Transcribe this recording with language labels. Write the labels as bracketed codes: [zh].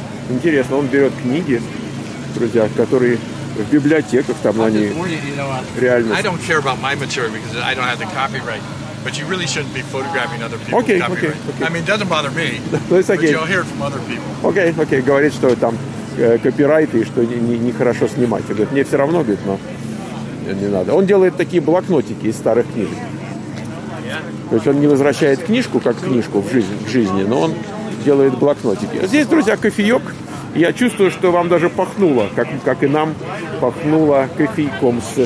[ru] Интересно, он берет книги, друзья, которые в библиотеках, там они реально... [en] I don't care about my material because I don't have the copyright, but you really shouldn't be photographing other people's copyright. I mean, it doesn't bother me, but you'll hear it from other people. [ru] Okay, говорит, что там копирайты, и что нехорошо снимать. Он говорит, мне все равно, говорит, но не надо. Он делает такие блокнотики из старых книг. То есть он не возвращает книжку, как книжку, в жизни, но он... делает блокнотики. Здесь, друзья, кофеек. Я чувствую, что вам даже пахнуло, как и нам пахнуло кофейком.